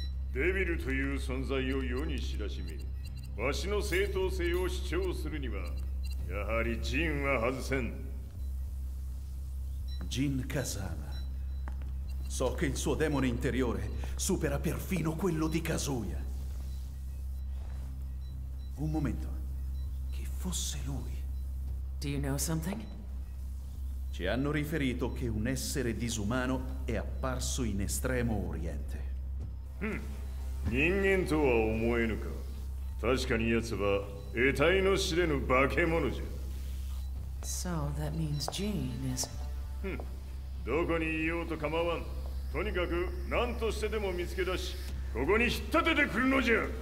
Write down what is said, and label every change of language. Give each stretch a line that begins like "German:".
Japanese: Devil という存在を世に知らしめ、わしの正当性を主張するには、やはりジンは外せん。ジン・カザーマ。
Italian: So che il suo demone interiore supera perfino quello di Kazuya. Un momento. Che fosse lui?
English: Do you know something?
Italian: Ci hanno riferito che un essere disumano è apparso in Estremo Oriente.
Japanese: Hmm. 人間とは思えぬか? 確かに奴は得体の知れぬ化け物じゃ。
English: So that means Jean is...
Japanese: どこにいようと構わん。とにかく何としてでも見つけ出し、 ここに引っ立ててくるのじゃ。